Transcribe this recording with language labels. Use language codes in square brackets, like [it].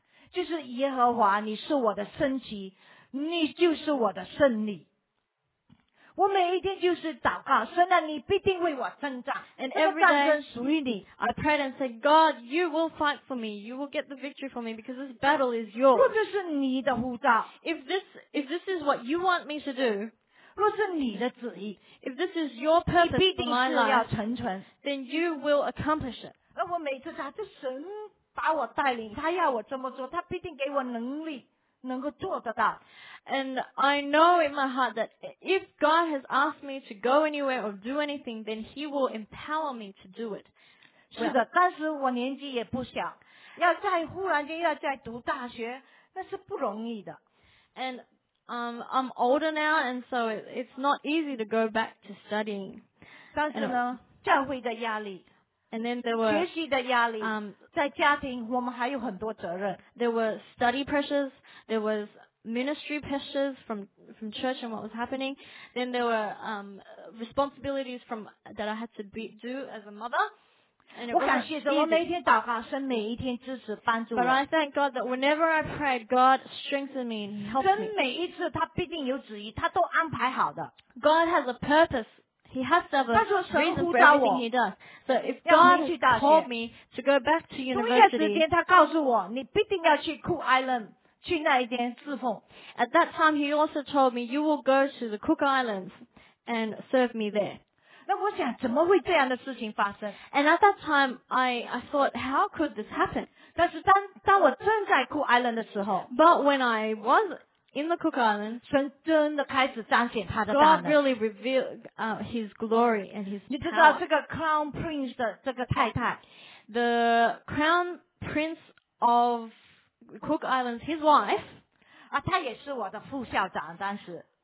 [zh] 就是耶和华，你是我的生机，你就是我的胜利。我每一天就是祷告，神啊，你必定为我征战。 [en] And every day, [zh] 这个战争属于你。 [en] I prayed and said, God, you will fight for me. You will get the victory for me because this battle is yours. [zh] 若这是你的呼召 [en] ，if this is what you want me to do, [zh] 若是你的旨意 [en] ，if this is your purpose for my life, [zh] 你必定是要成全 [en] ，then you will accomplish it. [zh] 而我每次打这神。把我带领，他要我这么做，他必定给我能力，能够做得到。 [en] And I know in my heart that if God has asked me to go anywhere or do anything, then He will empower me to do it. [zh] 是的，但是我年纪也不小，要再忽然间要再读大学，那是不容易的。 [en] And I'm older now, and so it's not easy to go back to studying. [zh] 但是呢，教会的压力。 [en] And then there were [zh] 学习的压力，在家庭我们还有很多责任。 [en] There were study pressures, there was ministry pressures from church and what was happening. Then there were responsibilities that I had to do as a mother. And it [zh] 我感谢神，我每天祷告，神每一天支持帮助我。 [en] But I thank God that whenever I prayed, God strengthened me and helped me. [zh] 神每一次他必定有旨意，他都安排好的。 [en] God has a purpose. He has to have a reason for everything he does. So if God called me to go back to university, at that time he also told me, you will go to the Cook Islands and serve me there. And at that time I thought, how could this happen? But when I wasIn the Cook Islands, [zh] 神真的开始彰显他的大能。 [en] God really revealed His glory and His power. [zh] 你知道这个 Crown Prince 的这个太太 [en] ，the Crown Prince of Cook Islands, his wife, [zh] 啊，她也是我的副校长当时。